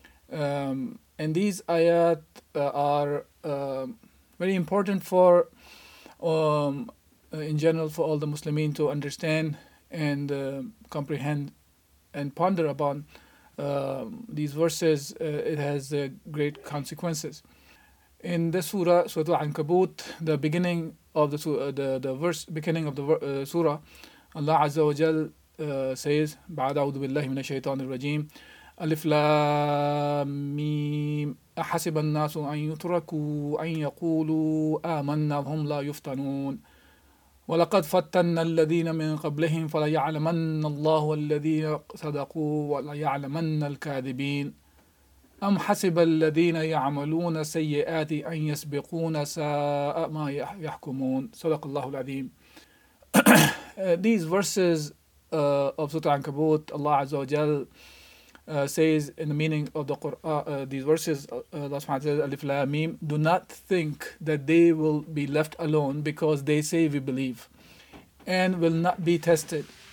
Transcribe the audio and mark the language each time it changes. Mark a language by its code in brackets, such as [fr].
[en] And these ayat are very important for, in general, for all the Muslimin to understand and comprehend and ponder upon these verses. It has great consequences. In this surah, Surah Al-Ankabut, the beginning of the surah, Allah Azza wa Jal says, [ar] بعد أعوذ بالله من الشيطان الرجيم ألف لام ميم أحسب الناس أن يتركوا أن يقولوا آمنا وهم لا يفتنون ولقد فتن الذين من قبلهم فليعلمن الله الذين صدقوا وليعلمن الكاذبين أم حسب الذين يعملون السيئات أن يسبقون ساء ما يحكمون صدق الله العظيم. [en] These verses of Surah Al-Ankabut, Allah Azza wa Jal says in the meaning of the Quran, these verses, Allah Subhanahu wa Ta'ala says, Alif Lam Mim, do not think that they will be left alone because they say we believe and will not be tested.